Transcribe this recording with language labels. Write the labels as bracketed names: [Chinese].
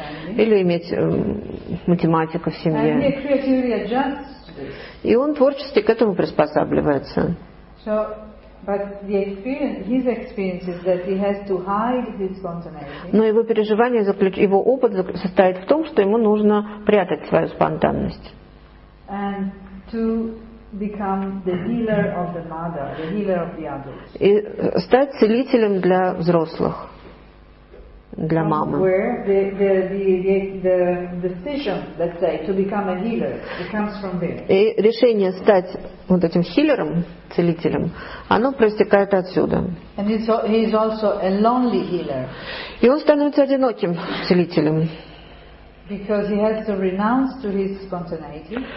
[Russian] Или иметь математика в семье. И он творчески к этому приспосабливается. [English] So, but the experience, his experience is that he has to hide his spontaneity. [Russian] Но его переживание, его опыт состоит в том, что ему нужно прятать свою спонтанность. [English] And to become the healer of the mother, the healer of the adults. [Russian] И стать целителем для взрослых, для мамы. [English] Where the decision, let's say, to become a healer, it comes from there. [Russian] И решение стать вот этим хилером, целителем, оно проистекает отсюда. [English] And he is also a lonely healer. [Russian] И он становится одиноким целителем. [English] Because he has to renounce to his spontaneity.